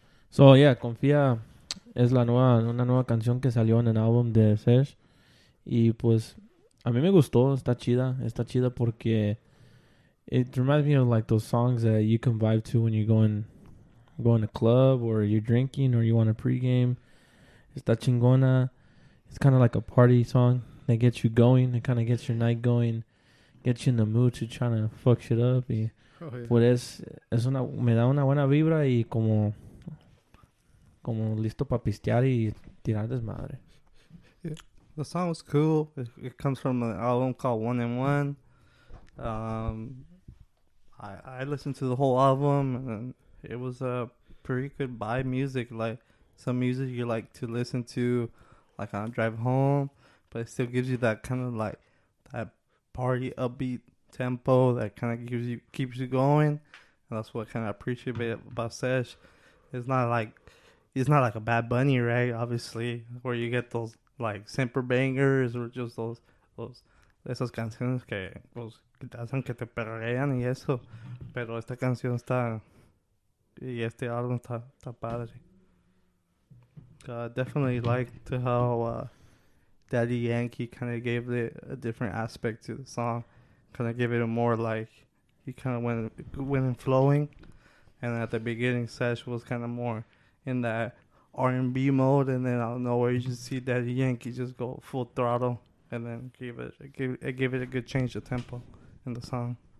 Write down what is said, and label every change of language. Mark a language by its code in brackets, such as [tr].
[es] So, yeah, Confia es la nueva, una nueva canción que salió en el álbum de Serj. Y, pues, a mí me gustó. Está chida porque [en] it reminds me of, like, those songs that you can vibe to when you're going to club or you're drinking or you want a pregame. [es] Está chingona. [en] It's kind of like a party song that gets you going. It kind of gets your night going, gets you in the mood to try to fuck shit up. [es] Y, pues, es una, me da una buena vibra y como... Como listo para pistear y tirar desmadre. [en] The song was cool. It comes from an album called One and One. I listened to the whole album and it was a pretty good vibe music. Like some music you like to listen to, like on drive home, but it still gives you that kind of like that party upbeat tempo that kind of keeps you going. And that's what I kind of appreciate about Serj. It's not like a Bad Bunny, right? Obviously, where you get those like simper bangers or just [es] esas canciones que pues que te hacen que te perrean y eso. Pero esta canción está y este álbum está padre. [en] Definitely liked how Daddy Yankee kind of gave it a different aspect to the song. Kind of gave it a more like he kind of went in flowing, and at the beginning, Serj was kind of more in that R&B mode, and then out of nowhere you just see Daddy Yankee just go full throttle and then give it a good change of tempo in the song.